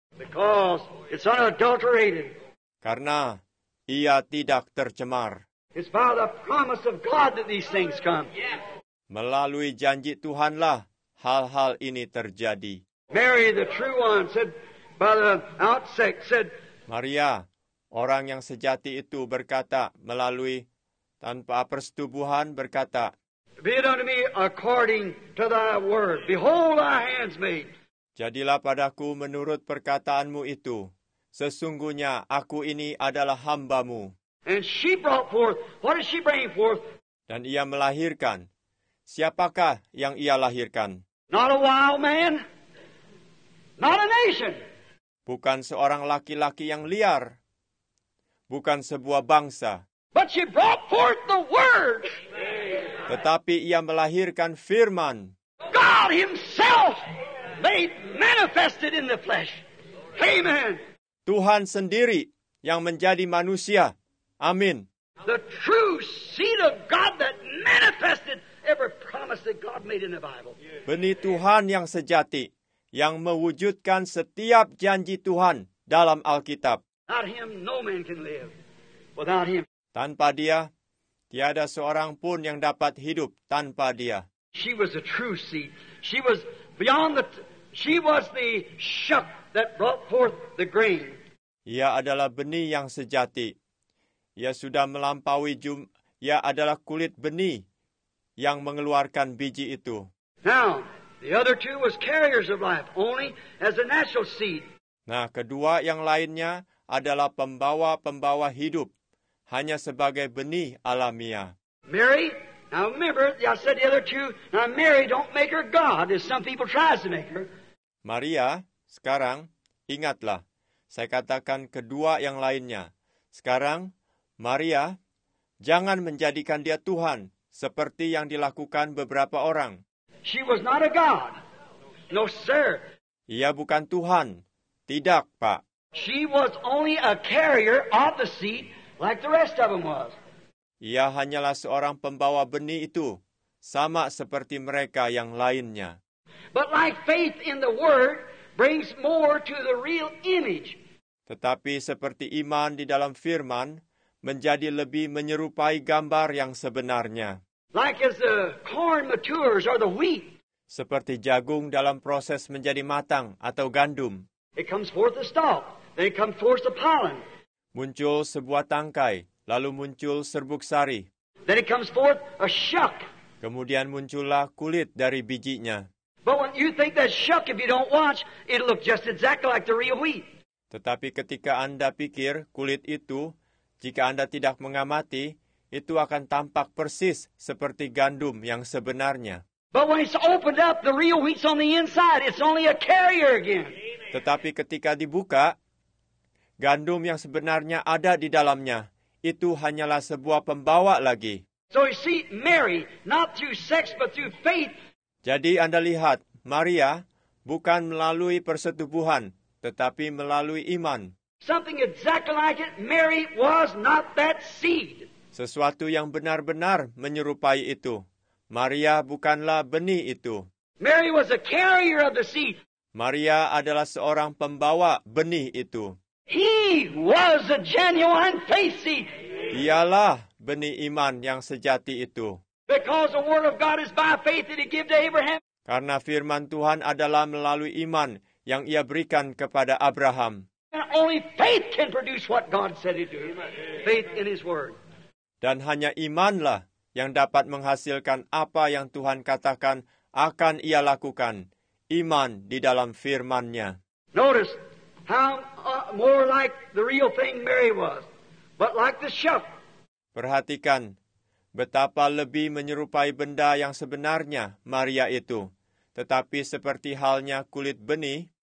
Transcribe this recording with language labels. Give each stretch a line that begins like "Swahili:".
English: Because it's unadulterated.
Indonesian: Karena ia tidak tercemar.
English: It's by the promise of God that these things come.
Indonesian: Melalui janji Tuhanlah hal-hal ini terjadi.
English: Mary, the true one, said by the outset, said.
Indonesian: Maria, orang yang sejati itu berkata melalui tanpa persetubuhan berkata,
English: "Be it unto me according to thy word. Behold thy handmaid."
Indonesian: Jadilah padaku menurut perkataanmu itu. Sesungguhnya aku ini adalah hambamu.
English: And she brought forth. What did she bring forth?
Indonesian: Dan ia melahirkan. Siapakah yang ia lahirkan?
English: Not a wild man. Not a nation.
Indonesian: Bukan seorang laki-laki yang liar. Bukan sebuah bangsa.
English: But she brought forth the word.
Indonesian: Tetapi ia melahirkan firman.
English: God himself made manifested in the flesh. Amen.
Indonesian: Tuhan sendiri yang menjadi manusia. Amin.
English: The true seed of God that manifested every promise that God made in the Bible.
Indonesian: Benih Tuhan yang sejati yang mewujudkan setiap janji Tuhan dalam Alkitab.
English: Without him no man can live. Without him.
Indonesian: Tanpa dia, tiada seorang pun yang dapat hidup tanpa dia.
English: She was a true seed. She was beyond the she was the shuck that brought forth the grain.
Indonesian: Ia adalah benih yang sejati. Ia sudah melampaui ia adalah kulit benih yang mengeluarkan biji itu.
English: Now, the other two was carriers of life only as a natural seed.
Indonesian: Nah, kedua yang lainnya adalah pembawa-pembawa hidup hanya sebagai benih alamiah.
English: Mary, now remember, I said the other two. Now Mary, don't make her God, as some people tries to make her.
Indonesian: Maria, sekarang ingatlah, saya katakan kedua yang lainnya. Sekarang, Maria, jangan menjadikan dia Tuhan seperti yang dilakukan beberapa orang.
English: She was not a God. No, sir.
Indonesian: Ia bukan Tuhan. Tidak, Pak.
English: She was only a carrier of the seed. Like the rest of them was.
Indonesian: Ia hanyalah seorang pembawa benih itu, sama seperti mereka yang lainnya.
English: But like faith in the word brings more to the real image.
Indonesian: Tetapi seperti iman di dalam firman menjadi lebih menyerupai gambar yang sebenarnya.
English: Like as the corn matures or the wheat.
Indonesian: Seperti jagung dalam proses menjadi matang atau gandum.
English: It comes forth the stalk, then it comes forth the pollen.
Indonesian: Muncul sebuah tangkai, lalu muncul serbuk sari.
English: Then it comes forth a shuck.
Indonesian: Kemudian muncullah kulit dari bijinya.
English: But when you think that shuck, if you don't watch, it'll look just exactly like the real wheat.
Indonesian: Tetapi ketika Anda pikir kulit itu, jika Anda tidak mengamati, itu akan tampak persis seperti gandum yang sebenarnya.
English: But when it's opened up, the real wheat's on the inside. It's only a carrier again.
Indonesian: Tetapi ketika dibuka, gandum yang sebenarnya ada di dalamnya, itu hanyalah sebuah pembawa lagi.
English: So you see, Mary, not through sex, but through faith.
Indonesian: Jadi Anda lihat, Maria bukan melalui persetubuhan, tetapi melalui iman.
English: Something exactly like it, Mary was not that seed.
Indonesian: Sesuatu yang benar-benar menyerupai itu. Maria bukanlah benih itu.
English: Mary was a carrier of the seed.
Indonesian: Maria adalah seorang pembawa benih itu.
English: He was a genuine faith seed.
Indonesian: Dialah benih iman yang sejati itu.
English: Because the word of God is by faith that he gave to Abraham.
Indonesian: Karena firman Tuhan adalah melalui iman yang ia berikan kepada Abraham.
English: And only faith can produce what God said it would. Faith in his word.
Indonesian: Dan hanya imanlah yang dapat menghasilkan apa yang Tuhan katakan akan ia lakukan. Iman di dalam firman-Nya.
English: Notice how more like the real thing Mary was, but like the shuck.
Indonesian: Perhatikan betapa lebih menyerupai benda yang sebenarnya Maria itu, tetapi seperti halnya kulit benih.